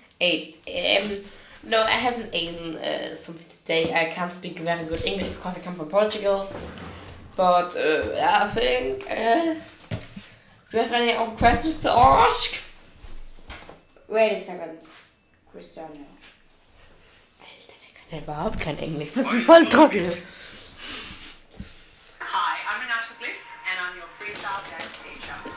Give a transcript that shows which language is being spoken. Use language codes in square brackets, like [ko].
[en] Eight. No, I haven't eaten something today. I can't speak very good English because I come from Portugal. But I think. Do you have any other questions to ask? Wait a second, Cristiano. [de] Er hat überhaupt kein Englisch, das ist voll trocken. [en] Hi, I'm Renata Bliss and I'm your freestyle dance teacher.